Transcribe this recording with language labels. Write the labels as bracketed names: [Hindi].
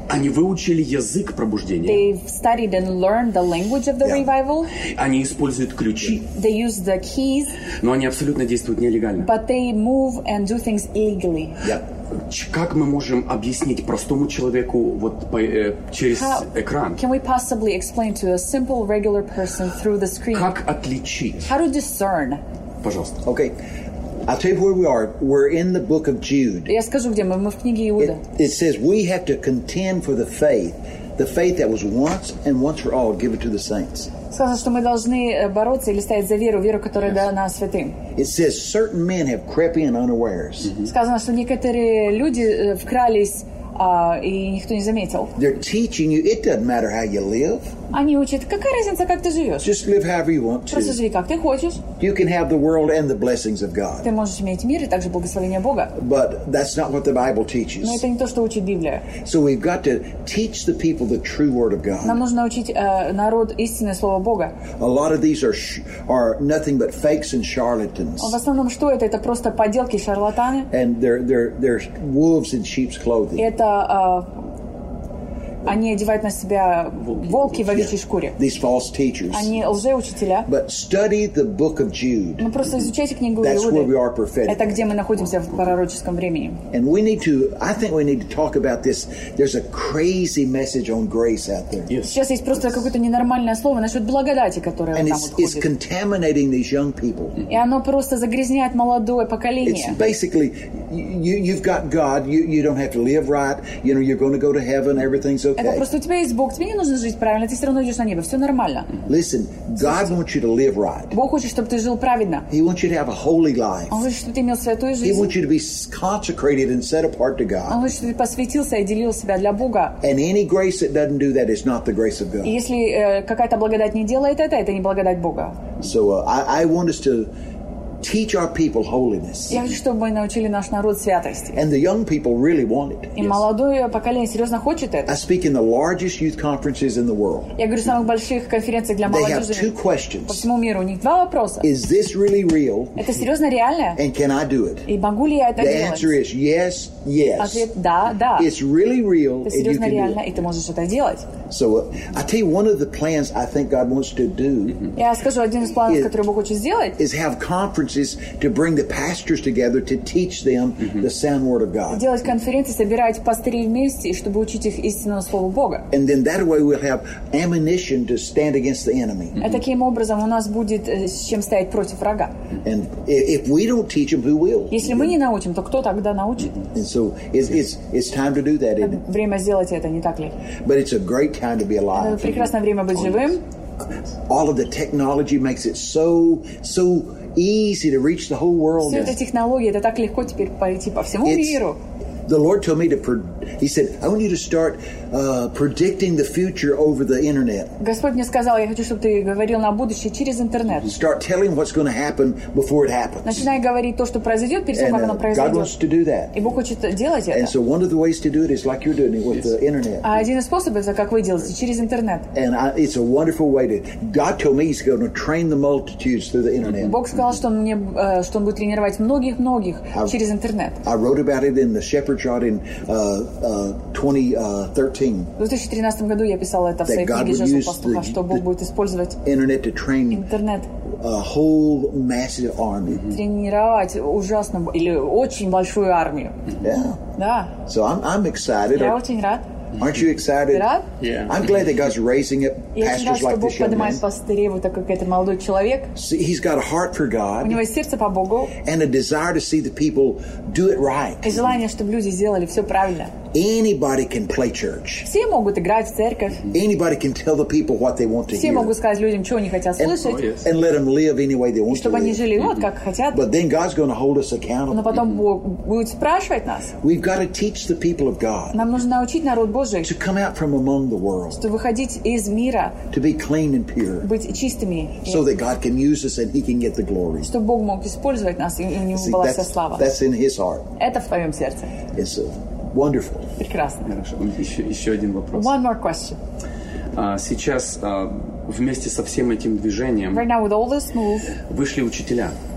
[Russian] они выучили язык пробуждения. [English] Studied and learned the language of the yeah. revival. [Russian] Они используют ключи. [English] They use the keys. [Russian] Но они абсолютно действуют нелегально. [English] But they move and do things illegally. Yeah. [Russian] Как мы можем объяснить простому человеку вот через экран? [English] Can we possibly explain to a simple regular person through the screen? [Russian] Как отличить? [English] How to discern? [Russian] Пожалуйста. [English] Okay. I'll tell you where we are. We're in the book of Jude. [Russian] Я скажу где мы в книге Иуда. [English] It says we have to contend for the faith. The faith that was once and once for all given to the saints. [Russian] Сказано, что мы должны бороться или стоять за веру, которая дана святым. [English] It says certain men have crept in unawares. [Russian] Сказано, что некоторые люди вкрались. И никто не заметил. [English] They're teaching you, it doesn't matter how you live. [Russian] Они учат, какая разница, как ты живешь. [English] Just live however you want to. [Russian] Просто живи, как ты хочешь. [English] You can have the world and the blessings of God. [Russian] Ты можешь иметь мир и также благословение Бога. [English] But that's not what the Bible teaches. [Russian] Но это не то, что учит Библия. [English] So we've got to teach the people the true word of God. [Russian] Нам нужно учить народ истинное слово Бога. [English] A lot of these are nothing but fakes and charlatans. [Russian] В основном, что это? Это просто подделки, шарлатаны. [English] And they're wolves in sheep's clothing. [Russian] Они одевают на себя волки в овечьей шкуре. [English] Yeah, these false teachers. [Russian] Они лжеучителя. [English] But study the book of Jude. [Russian] Мы просто изучайте книгу [English] That's [Russian] Иуды. [English] Where we are prophetic. [Russian] Это где мы находимся в пророческом времени. [English] And we need to, I think we need to talk about this. There's a crazy message on grace out there. Yes. [Russian] Сейчас есть просто какое-то ненормальное слово насчет благодати, которое [English] And [Russian] там [English] it's, [Russian] вот ходит. [English] It's contaminating these young people. [Russian] И оно просто загрязняет молодое поколение. [English] It's basically, you've got God, you don't have to live right, you know, you're going to go to heaven, everything's okay. [Russian] Это просто у тебя есть Бог, тебе не нужно жить правильно, ты все равно идешь на небо, все нормально. [English] Listen, God wants you to live right. [Russian] Бог хочет, чтобы ты жил праведно. [English] He wants you to have a holy life. [Russian] Он хочет, чтобы ты имел святую жизнь. [English] He wants you to be consecrated and set apart to God. [Russian] Он хочет, чтобы ты посвятился и отделил себя для Бога. [English] And any grace that doesn't do that is not the grace of God. [Russian] Если какая-то благодать не делает это не благодать Бога. [English] So I want us to teach our people holiness. [Russian] Я хочу, чтобы мы научили наш народ святости. [English] And the young people really want it. [Russian] И молодое поколение серьезно хочет это. [English] I speak in the largest youth conferences in the world. [Russian] Я говорю в самых больших конференциях для молодежи. [English] They have two questions. [Russian] По всему миру у них два вопроса. [English] Is this really real? [Russian] Это серьезно реально? [English] And can I do it? [Russian] И могу ли я это делать? [English] The answer is yes, yes. [Russian] Ответ да, да. [English] It's really real. [Russian] Это серьезно реально, и ты можешь это делать. [English] So I tell you one of the plans I think God wants to do. [Russian] Я скажу один из планов, который Бог хочет сделать. [English] Is have conferences to bring the pastors together to teach them the sound word of God. [Russian] Делать конференции, собирать пастырей вместе, чтобы учить их истинному слову Бога. [English] And then that way we'll have ammunition to stand against the enemy. [Russian] А таким образом у нас будет с чем стоять против врага. [English] And if we don't teach them, who will? [Russian] Если мы не научим, то кто тогда научит? [English] And so it's time to do that. [Russian] Время сделать это, не так ли? [English] But it's a great time to be alive. [Russian] Прекрасное время быть живым. [English] All of the technology makes it so easy to reach the whole world. [Russian] Все эта технология, это так легко теперь пойти по всему миру. [English] The Lord told me to, he said, I want you to start predicting the future over the internet. [Russian] Господь мне сказал, я хочу, чтобы ты говорил на будущее через интернет. [English] Start telling what's going to happen before it happens. [Russian] Начинай говорить то, что произойдет, перед тем, как оно произойдет. [English] God wants to do that. [Russian] И Бог хочет делать это. [English] And so one of the ways to do it is like you're doing it with the internet. [Russian] А один из способов, это как вы делаете, через интернет. [English] And it's a wonderful way to, God told me he's going to train the multitudes through the internet. [Russian] Бог сказал, что мне, что он будет тренировать многих-многих через интернет. [English] I wrote about it in the Shepherd's Yard in 2013. [Russian] В 2013 году я писала это в своей книге «Жизнь пастуха», что Бог будет использовать [English] интернет to train a whole massive army. [Russian] Тренировать ужасно или очень большую армию. [English] Yeah. [Russian] Да. [English] So I'm excited. [Russian] Я очень рад. [English] Aren't you excited? [Russian] Рад? [English] Yeah. I'm glad that God's raising up pastors like this young man. [Russian] Пастырей, вот такой, это молодой человек. [English] See, he's got a heart for God. [Russian] У него есть сердце по Богу. [English] And a desire to see the people do it right. [Russian] И желание, чтобы люди сделали все правильно. [English] Anybody can play church. [Russian] Все могут играть в церковь. [English] Anybody can tell the people what they want to [Russian] все [English] hear. [Russian] Все могут сказать людям, что они хотят [English] and, [Russian] слышать. [English] Oh, yes. And let them live any way they want [Russian] чтобы [English] to [Russian] они [English] live. [Russian] Жили вот как хотят. [English] But then God's going to hold us accountable. [Russian] Но потом Бог будет спрашивать нас. [English] We've got to teach the people of God. [Russian] Нам нужно научить народ Божий. [English] To come out from among the world. [Russian] Чтобы выходить из мира. [English] To be clean and pure. [Russian] Быть чистыми. [English] So that God can use us and He can get the glory. [Russian] Чтобы Бог мог использовать нас и у него [English] See, [Russian] была вся слава. [English] That's in His heart. [Russian] Это в твоем сердце. [English] Yes, sir. Wonderful. [Russian] Прекрасно. Хорошо. Еще один вопрос. [English] One more question. [Russian] Сейчас вместе со всем этим движением [English] right now with all this move, [Russian] вышли учителя,